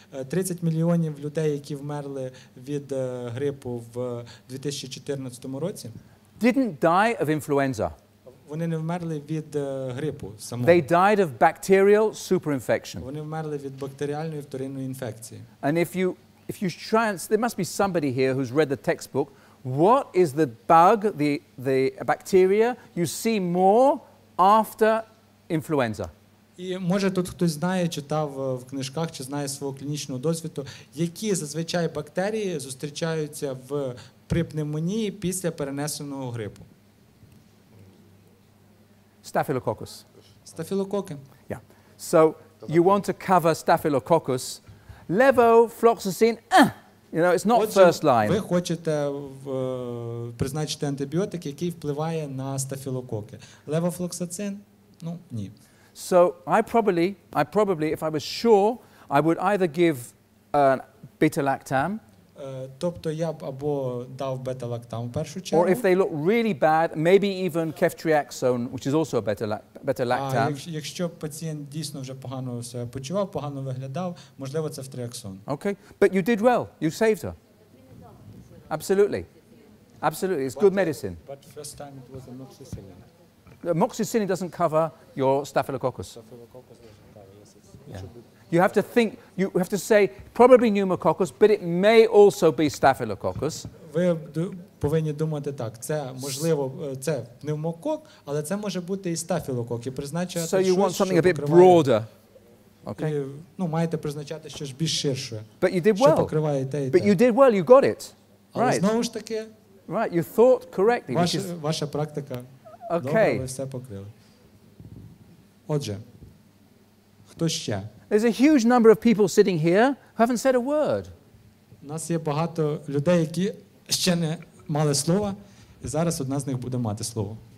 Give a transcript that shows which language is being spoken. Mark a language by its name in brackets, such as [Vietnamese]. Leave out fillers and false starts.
[Ukrainian] 30 мільйонів людей, які вмерли від грипу в 2014 році, [English] didn't die of influenza. [Ukrainian] Вони не вмерли від грипу самого. [English] They died of bacterial superinfection. [Ukrainian] Вони вмерли від бактеріальної вторинної інфекції. [English] And if you try and, there must be somebody here who's read the textbook, what is the bug, the bacteria you see more after influenza? [Ukrainian] І може тут хтось знає, читав в книжках, чи знає свого клінічного досвіду, які зазвичай бактерії зустрічаються в при пневмонії після перенесеного грипу? [English] Staphylococcus. [Ukrainian] Стафілококи. [English] Yeah. So you want to cover staphylococcus, levo, floxacin, you know, it's not [Ukrainian] Отже, [English] first line. [Ukrainian] Ви хочете призначити антибіотик, який впливає на стафілококи. Левофлоксацин? Ну, ні. [English] So I probably if I was sure I would either give beta-lactam. [Ukrainian] Тобто я б або дав бета-лактам в першу чергу. [English] Or if they look really bad, maybe even ceftriaxone, which is also a beta-lactam. [Ukrainian] Якщо пацієнт дійсно вже погано себе почував, погано виглядав, можливо, це ceftriaxone. [English] Okay. But you did well. You saved her. Absolutely. Absolutely. It's good medicine. But first time it was amoxicillin. Amoxicillin doesn't cover your staphylococcus. Yeah. You have to think, you have to say probably pneumococcus, but it may also be staphylococcus. [Ukrainian] Ви повинні думати так. Це можливо, це пневмокок, але це може бути і стафілококи. Призначати щось, [English] you want something a bit broader. Okay. [Ukrainian] Ну, маєте призначати щось більш ширше. [English] But you did well. [Ukrainian] Що покриває те і те. [English] But you did well, you got it. Right. [Ukrainian] Знову ж таки. [English] Right, you thought correctly. [Ukrainian] Ваша практика. [English] Okay. [Ukrainian] Добре, ви все покрили. Отже, хто ще? [English] There's a huge number of people sitting here who haven't said a word. [Ukrainian] У нас є багато людей, які ще не мали слова, і зараз одна з них буде мати слово.